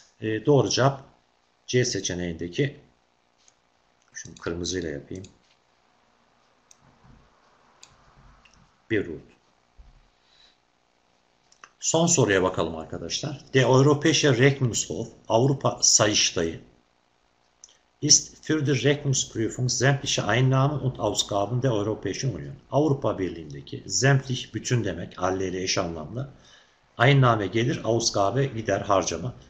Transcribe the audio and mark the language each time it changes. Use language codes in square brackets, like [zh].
[tr] Doğru cevap C seçeneğindeki, şunu kırmızıyla yapayım. Beirut. Son soruya bakalım arkadaşlar. [de] De Europäische Rechnungshof, [tr] Avrupa Sayıştayı. [de] Ist für die Rechnungsprüfung sämtliche Einnahmen und Ausgaben der Europäischen Union. [tr] Avrupa Birliği'ndeki sämtlich bütün demek, alleli eş anlamlı. Einnahme gelir, Ausgabe gider harcama.